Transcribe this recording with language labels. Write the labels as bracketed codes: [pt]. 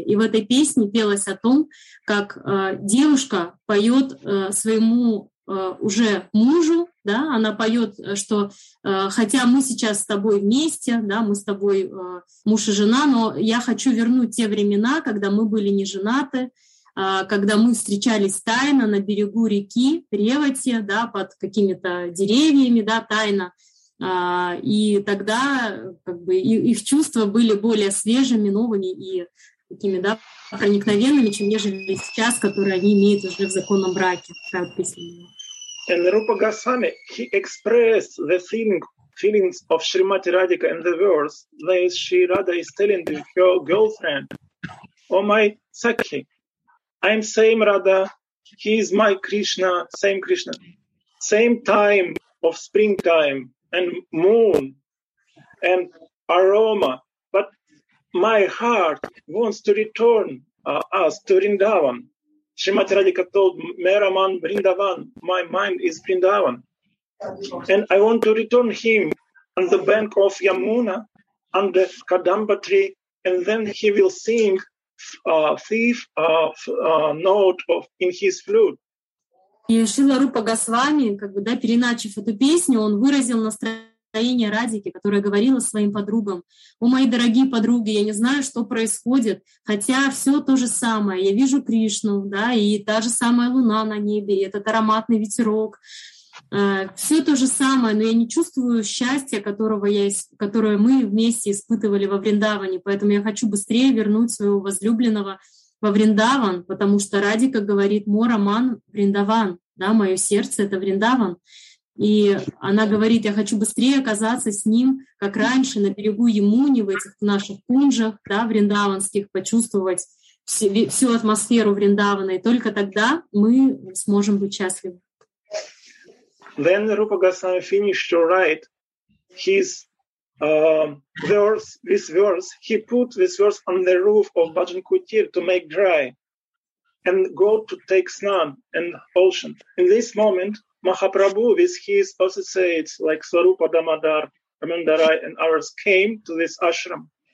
[ru] И в этой песне пелось о том, как девушка поет своему уже мужу, да, она поет, что хотя мы сейчас с тобой вместе, да, мы с тобой муж и жена, но я хочу вернуть те времена, когда мы были не женаты, когда мы встречались тайно на берегу реки Ревати, да, под какими-то деревьями, да, тайно. И тогда как бы, их чувства были более свежими, новыми и такими, да, проникновенными, чем нежели сейчас, которые они имеют уже в законном браке. [en] And Rupa Goswami, he expressed the feelings of Srimati Radhika in the verse that Sri Radha is telling to her girlfriend, "Oh my Sakhi, I'm same Radha, he is my Krishna, same time of springtime and moon and aroma, but my heart wants to return us to Vrindavan." Srimati Radhika told Meraman Vrindavan, my mind is Vrindavan. And I want to return him on the bank of Yamuna under Kadamba tree, and then he will sing a thief note of in his flute. [ru] И Шрила Рупа Госвами, как бы, да, переначив эту песню, он выразил настроение Радики, которая говорила своим подругам: «О, мои дорогие подруги, я не знаю, что происходит, хотя все то же самое. Я вижу Кришну, да, и та же самая луна на небе, и этот ароматный ветерок. Все то же самое, но я не чувствую счастья, которое мы вместе испытывали во Вриндаване, поэтому я хочу быстрее вернуть своего возлюбленного во Вриндаван, потому что Радика говорит: «Мо роман Вриндаван», да, мое сердце — это Вриндаван». И она говорит: «Я хочу быстрее оказаться с ним, как раньше, на берегу Ямуни, в этих наших кунжах, да, вриндаванских, почувствовать всю атмосферу Вриндавана, и только тогда мы сможем быть счастливы». [en] Then Rupa Goswami finished to write his verse. He put this verse on the roof of Bhajan Kutir to make dry and go to take snan and ocean. In this moment, Mahaprabhu with his associates like Swarupa Damodar, Ramandarai and others came to this ashram.